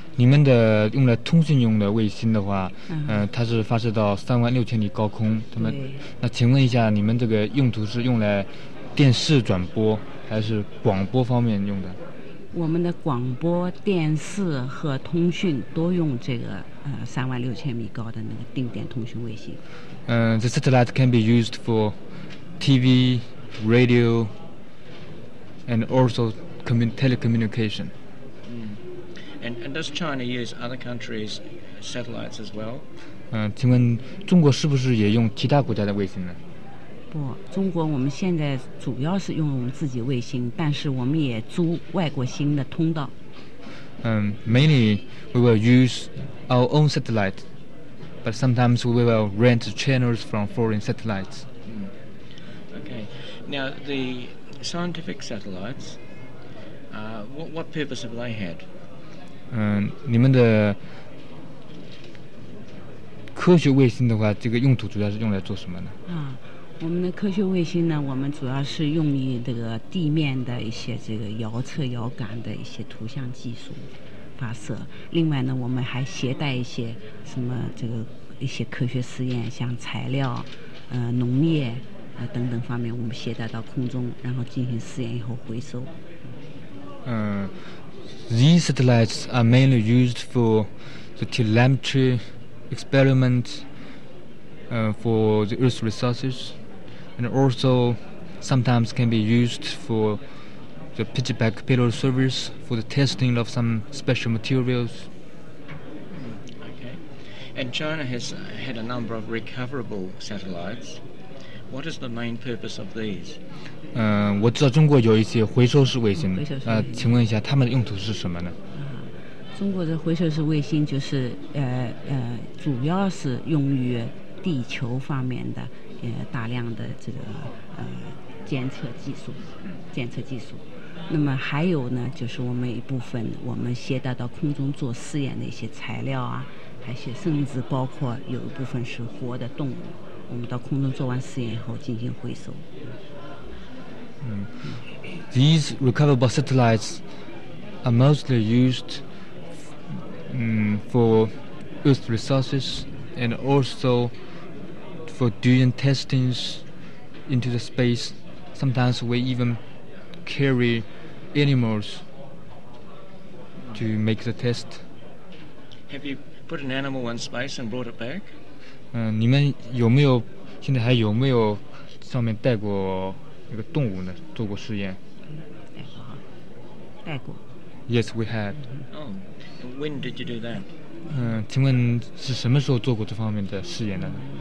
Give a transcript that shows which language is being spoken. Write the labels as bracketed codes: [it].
[zh] 你们的用来通信用的卫星的话，它是发射到36,000米高空。他们，那请问一下，你们这个用途是用来电视转播还是广播方面用的？我们的广播、电视和通讯都用这个36,000米高的那个定点通讯卫星。 [en] The satellite can be used for TV, radio, and also telecommunication. And does China use other countries' satellites as well? [zh] 请问中国是不是也用其他国家的卫星呢？不，中国我们现在主要是用我们自己卫星，但是我们也租外国星的通道。 [en] Mainly we will use our own satellite, but sometimes we will rent channels from foreign satellites. Okay. Now the scientific satellites, what purpose have they had? [zh] 你们的科学卫星的话，这个用途主要是用来做什么呢？我们的科学卫星呢，我们主要是用于这个地面的一些这个遥测遥感的一些图像技术发射。另外呢，我们还携带一些什么这个一些科学实验，像材料、农业、等等方面我们携带到空中，然后进行试验以后回收。 [en] These satellites are mainly used for the telemetry experiment, for the Earth's resources, and also sometimes can be used for the pitchback payload service for the testing of some special materials. Okay. And China has had a number of recoverable satellites. What is the main purpose of these? [zh] 我知道中国有一些回收式卫星，请问一下他们的用途是什么呢？中国的回收式卫星就是主要是用于地球方面的大量的这个监测技术。那么还有呢，就是我们一部分我们携带到空中做试验的一些材料啊，还有甚至包括有一部分是活的动物，我们到空中做完试验以后进行回收。 [en] These recoverable satellites are mostly used for Earth resources and also for doing testings into the space. Sometimes we even carry animals to make the test. Have you put an animal in space and brought it back? [zh] 你们有没有现在还有没有上面带过那个动物呢？做过试验？带过。 [en] Yes, we had. Oh, when did you do that? [zh] 请问是什么时候做过这方面的试验呢？